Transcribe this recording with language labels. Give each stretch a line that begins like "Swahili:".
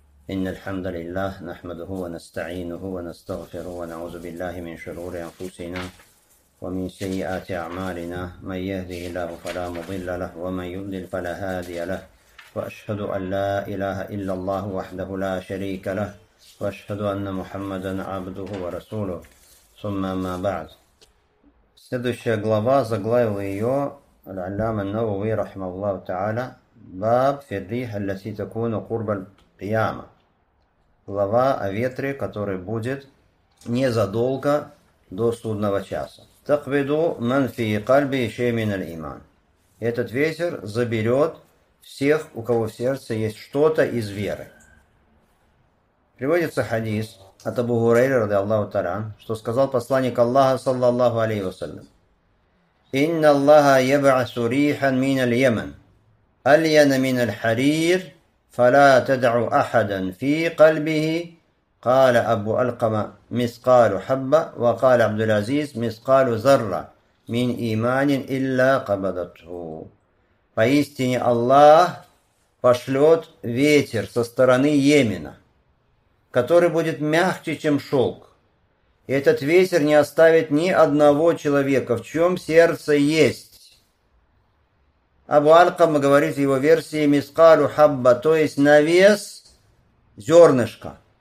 Arabic: إن الحمد لله نحمده ونستعينه ونستغفره ونعوذ بالله من شرور أنفسنا ومن سيئات أعمالنا، من يهده الله فلا مضل له ومن يضلل فلا هادي له، وأشهد أن لا إله إلا الله وحده لا شريك له، وأشهد أن محمدا عبده ورسوله. ثم ما بعد،
Russian: следующая глава, заглавил ее
Arabic: العلامة النووي رحمه الله تعالى باب في الريح التي تكون قرب القيامة.
Russian: Глава о ветре, который будет незадолго до судного часа.
Arabic: Такбиду ман фи кальби ше мин аль иман.
Russian: Этот ветер заберет всех, у кого в сердце есть что-то из веры. Приводится хадис от Абу Хурейры ради Аллаху Таран, что сказал посланник Аллаха, саллаллаху алейхи вассалям:
Arabic: «Инна Аллаха яб'асу рихан мин аль Йемен, альяна мин аль Харир». فلا تدع احدا في قلبه قال ابو القما مثقال حبه وقال عبد العزيز مثقال ذره من ايمان الا قبضته.
Russian: Поистине Аллах пошлет ветер со стороны Йемена, который будет мягче, чем шелк. И этот ветер не оставит ни одного человека, в чем сердце есть. Абу Аль-Кама говорит в его версии
Arabic: «мискалу хабба»,
Russian: то есть на вес зернышка.